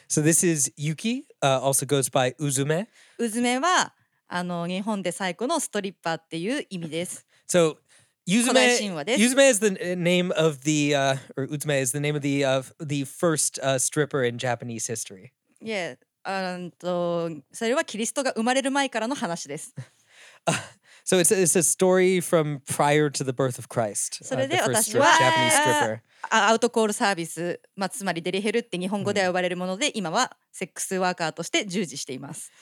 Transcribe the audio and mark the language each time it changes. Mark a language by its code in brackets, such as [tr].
[en] So this is Yuki, also goes by Uzume. [ja] Uzume はあの日本で最古のストリッパーっていう意味です。 [en] So Uzume is the name of the, or Uzume is the name of the first stripper in Japanese history. Yeah. [ja] それはキリストが生まれる前からの話です。 [en] So it's a story from prior to the birth of Christ. [ja] それで私は [en] Japanese stripper. [ja] アウトコールサービス、まあ、つまりデリヘルって日本語では呼ばれるもので、今はセックスワーカーとして従事しています。